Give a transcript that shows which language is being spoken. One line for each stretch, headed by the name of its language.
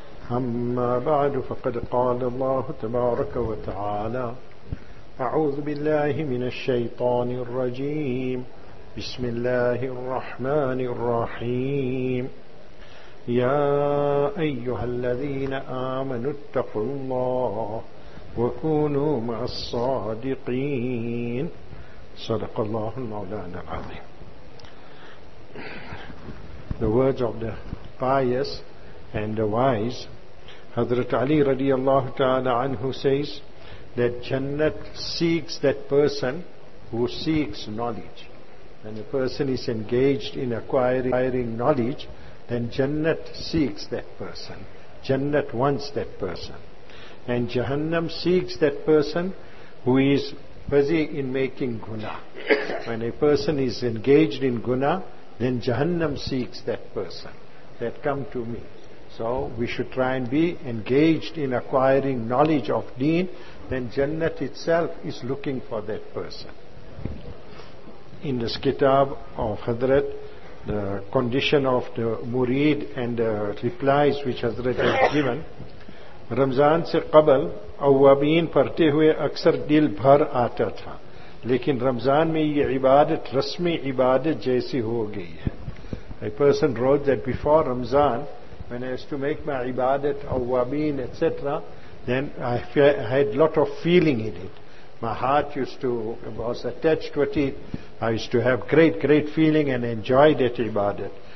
Arabic: أما بعد، فقد قال الله تبارك وتعالى: أعوذ بالله من الشيطان الرجيم، بسم الله الرحمن الرحيم: يا أيها الذين آمنوا اتقوا الله وكونوا مع الصادقين. صدق الله مولانا العظيم.
English: The words of the pious and the wise. Hazrat Ali radiallahu ta'ala anhu says that Jannat seeks that person who seeks knowledge. When a person is engaged in acquiring knowledge, then Jannat seeks that person. Jannat wants that person. And Jahannam seeks that person who is busy in making guna. When a person is engaged in guna, then Jahannam seeks that person, that come to me. So we should try and be engaged in acquiring knowledge of deen, then Jannat itself is looking for that person. In this kitab of Hazrat, the condition of the murid and the replies which Hazrat has given,
Urdu: رمضان سے قبل اوابین پڑھتے ہوئے اکثر دل بھر آتا تھا، لیکن رمضان میں یہ عبادت رسمی عبادت جیسی ہو گئی ہے.
English: A person wrote that before Ramzan, when I used to make my ibadat awwabin etc., then I had lot of feeling in it. My heart was attached with it. I used to have great feeling and enjoyed that ibadat.